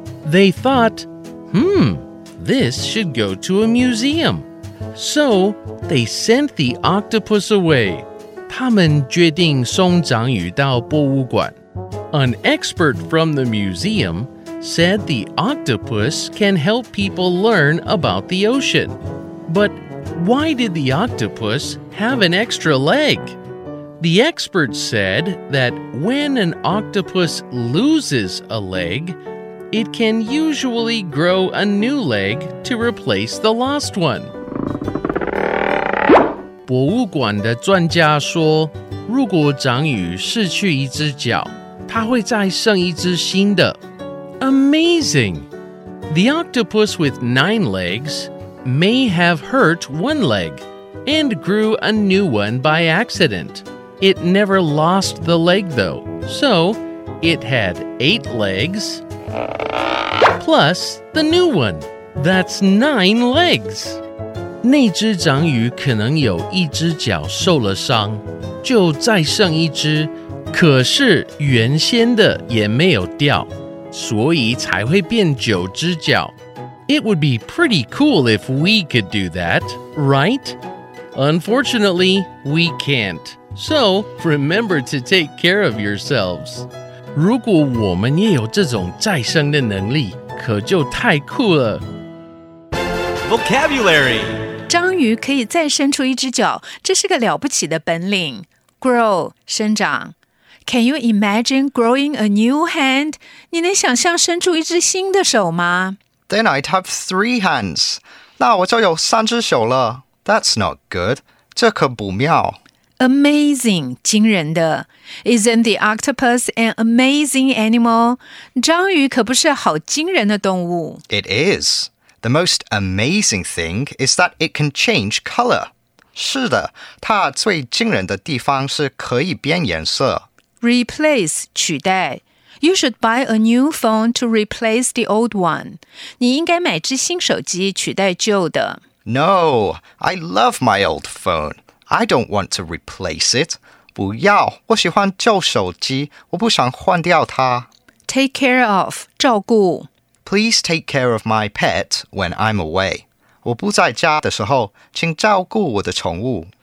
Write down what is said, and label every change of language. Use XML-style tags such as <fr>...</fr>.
<en>They thought, this should go to a museum. So they sent the octopus away.</en> <zh>他们决定送章鱼到博物馆。</zh> <en>An expert from the museum said the octopus can help people learn about the ocean. But why did the octopus have an extra leg? The expert said that when an octopus loses a leg,It can usually grow a new leg to replace the lost one.</en> <zh>博物馆的专家说，如果章鱼失去一只脚，它会再生一只新的。</zh> <en>Amazing! The octopus with nine legs may have hurt one leg and grew a new one by accident. It never lost the leg though, so it had eight legs... Plus the new one. That's nine legs.</en> <zh>那隻章魚可能有一隻腳受了傷，就再生一隻，可是原先的也沒有掉，所以才會變九隻腳。</zh> <en>It would be pretty cool if we could do that, right? Unfortunately, we can't. So remember to take care of yourselves.</en> <zh>如果我们也有这种再生的能力，可就太酷了。</zh> <en>Vocabulary：</en> <zh>章鱼可以再生出一只脚，这是个了不起的本领。</zh> <en>Grow：</en> <zh>生长。</zh> <en>Can you imagine growing a new hand？</en> <zh>你能想象生出一只新的手吗</zh> <en>？Then I'd have three hands。</en> <zh>那我就有三只手了。</zh> <en>That's not good。</en> <zh>这可不妙。</zh> <en>Amazing,</en> <zh>惊人的。</zh> <en>Isn't the octopus an amazing animal?</en> <zh>章鱼可不是好惊人的动物。</zh> <en>It is. The most amazing thing is that it can change color.</en> <zh>是的,它最惊人的地方是可以变颜色。</zh> <en>Replace,</en> <zh>取代。</zh> <en>You should buy a new phone to replace the old one.</en> <zh>你应该买支新手机取代旧的。</zh> <en>No, I love my old phone. I don't want to replace it.</en> <zh>不要,我喜欢旧手机,我不想换掉它。</zh> <en>Take care of,</en> <zh>照顾。</zh> <en>Please take care of my pet when I'm away.</en> <zh>我不在家的时候,请照顾我的宠物。</zh>